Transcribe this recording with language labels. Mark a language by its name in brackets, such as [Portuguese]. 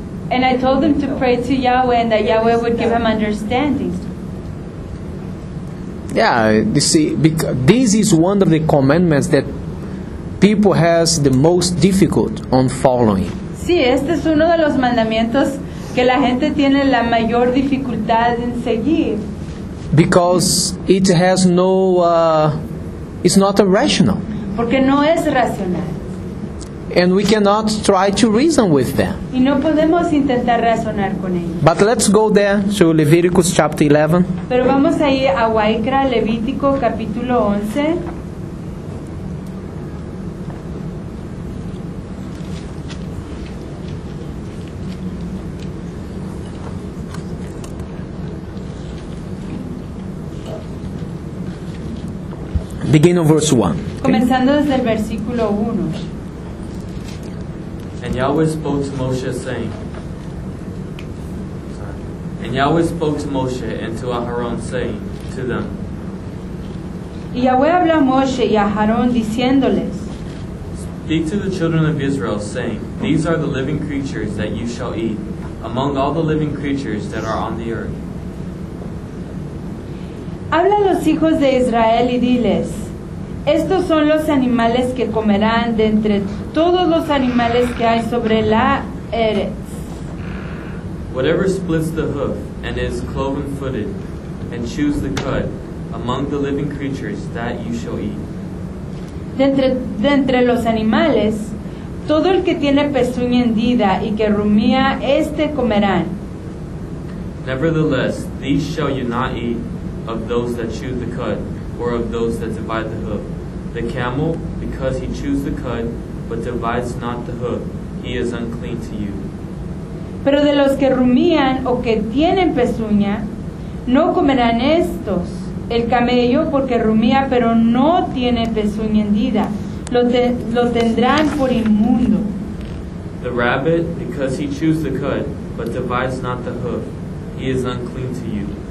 [English] And I told him to pray to Yahweh and that Yahweh would give him understanding. Yeah, you see, because this is one of the commandments that people has the most difficult on following. [Spanish] Sí, este es uno de los mandamientos que la gente tiene la mayor dificultad en seguir. [English] Because it has no, it's not a rational. [Spanish] Porque no es racional. [English] And we cannot try to reason with them. [Spanish] Y no podemos intentar razonar con ellos. [English] But let's go there to Leviticus chapter 11. [Spanish] Pero vamos a ir a Waikra, Levítico capítulo 11. [English] Begin of verse 1. [Spanish] Comenzando desde el versículo 1. [English] And Yahweh spoke to Moshe and to Aharon, saying to them, [Spanish] y Yahweh habló a Moshe y a Aharon diciéndoles, [English] speak to the children of Israel, saying, these are the living creatures that you shall eat among all the living creatures that are on the earth. [Spanish] Habla a los hijos de Israel y diles, estos son los animales que comerán de entre todos los animales que hay sobre la eres. [English] Whatever splits the hoof and is cloven-footed and chews the cud among the living creatures, that you shall eat. [Spanish] De entre los animales, todo el que tiene pezuña hendida y que rumía, este comerán. [English] Nevertheless, these shall you not eat of those that chew the cud or of those that divide the hoof. The camel, because he chews the cud, but divides not the hoof, he is unclean to you. [Spanish] Pero de los que rumían o que tienen pezuña, no comerán estos. El camello, porque rumía pero no tiene pezuña hendida, lo tendrán por inmundo. [English] The rabbit, because he chews the cud, but divides not the hoof, he is unclean to you.